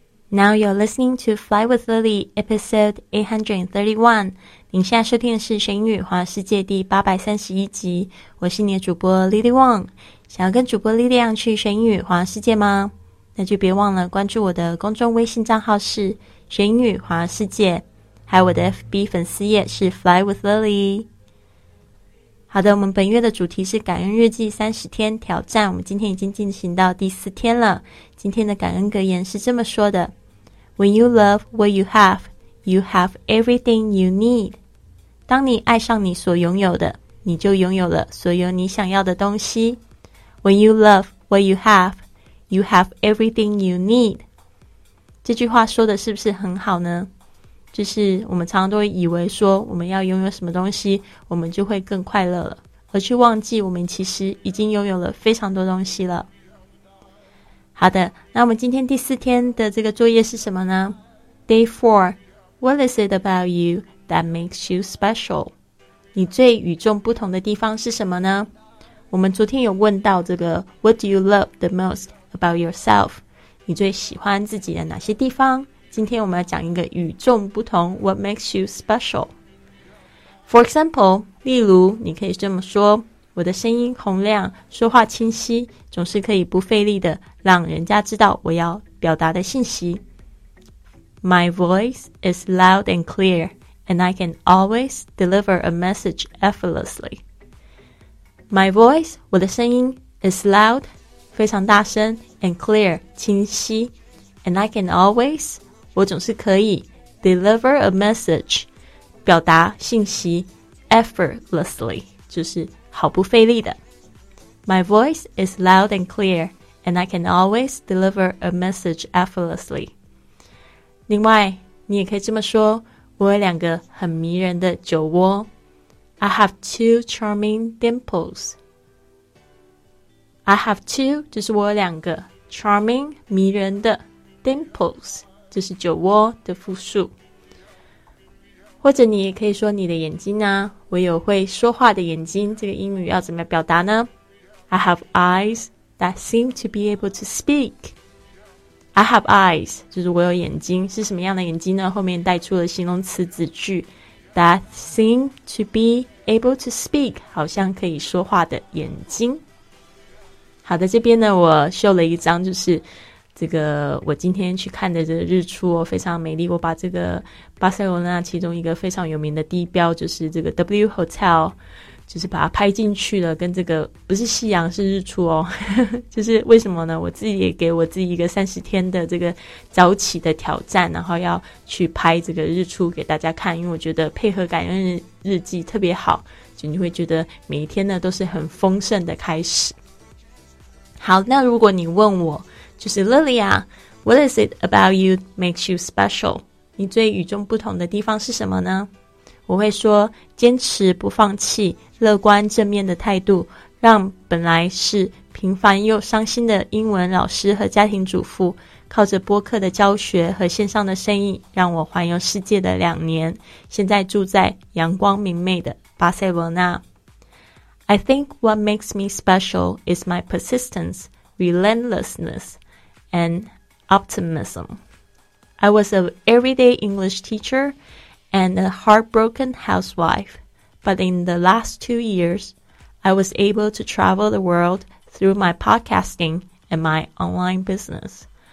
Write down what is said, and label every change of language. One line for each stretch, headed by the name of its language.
English: Now you're listening to Fly with Lily, episode 831.
Chinese: 您现在收听的是《学英语环游世界》第831集。我是你的主播 Lily Wong。想要跟主播 Lily 去学英语环游世界吗？那就别忘了关注我的公众微信账号是《学英语环游世界》，还有我的 FB 粉丝页是 Fly with Lily。好的，我们本月的主题是感恩日记30天挑战，我们今天已经进行到第4天了。今天的感恩格言是这么说的，
English: When you love what you have everything you need.
Chinese: 当你爱上你所拥有的，你就拥有了所有你想要的东西。
English: When you love what you have everything you need.
Chinese: 这句话说的是不是很好呢？就是我们常常都会以为说我们要拥有什么东西我们就会更快乐了，而去忘记我们其实已经拥有了非常多东西了。好的，那我们今天第四天的这个作业是什么呢？
English: Day 4 What is it about you that makes you special?
Chinese: 你最与众不同的地方是什么呢？我们昨天有问到这个
English: What do you love the most about yourself?
Chinese: 你最喜欢自己的哪些地方？今天我们要讲一个与众不同
English: What makes you special? For example,
Chinese: 例如你可以这么说，我的声音洪亮，说话清晰，总是可以不费力的让人家知道我要表达的信息。
English: My voice is loud and clear, and I can always deliver a message effortlessly. My voice,
Chinese: 我的声音
English: is loud,
Chinese: 非常大声
English: and clear,
Chinese: 清晰
English: and I can always...
Chinese: 我总是可以
English: deliver a message,
Chinese: 表达信息
English: effortlessly,
Chinese: 就是毫不费力的。
English: My voice is loud and clear, and I can always deliver a message effortlessly.
Chinese: 另外，你也可以这么说，我有两个很迷人的酒窝。
English: I have two charming dimples. I have two,
Chinese: 就是我有两个
English: charming,
Chinese: 迷人的
English: dimples.
Chinese: 这是酒窝的复数。或者你也可以说你的眼睛啊，我有会说话的眼睛，这个英语要怎么表达呢？
English: I have eyes that seem to be able to speak. I have eyes,
Chinese: 就是我有眼睛，是什么样的眼睛呢？后面带出了形容词子句
English: that seem to be able to speak,
Chinese: 好像可以说话的眼睛。好的，这边呢我秀了一张，就是这个我今天去看的这个日出哦，非常美丽。我把这个巴塞罗那其中一个非常有名的地标，就是这个 W Hotel, 就是把它拍进去了，跟这个不是夕阳是日出哦就是为什么呢？我自己也给我自己一个30天的这个早起的挑战，然后要去拍这个日出给大家看，因为我觉得配合感恩 日记特别好，就你会觉得每一天呢都是很丰盛的开始。好，那如果你问我就是
English: Lily 啊， What is it about you makes you special?
Chinese: 你最与众不同的地方是什么呢？我会说坚持不放弃，乐观正面的态度，让本来是平凡又伤心的英文老师和家庭主妇，靠着播客的教学和线上的生意，让我环游世界的两年，现在住在阳光明媚的巴塞罗那。
English: I think what makes me special is my persistence, relentlessnessand optimism. I was an everyday English teacher and a heartbroken housewife, but in the last 2 years, I was able to travel the world through my podcasting and my online business.